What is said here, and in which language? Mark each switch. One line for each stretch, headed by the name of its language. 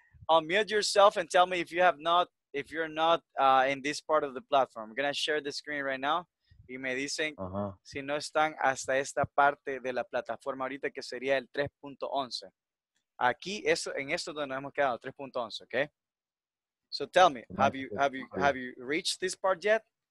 English: Unmute yourself and tell me if you have not, if you're not in this part of the platform. I'm gonna share the screen right now.
Spanish: Y me dicen si no están hasta esta parte de la plataforma ahorita que sería el 3.11. Aquí eso en esto donde nos hemos quedado 3.11, ¿okay?
English: So tell me, have you reached this part yet?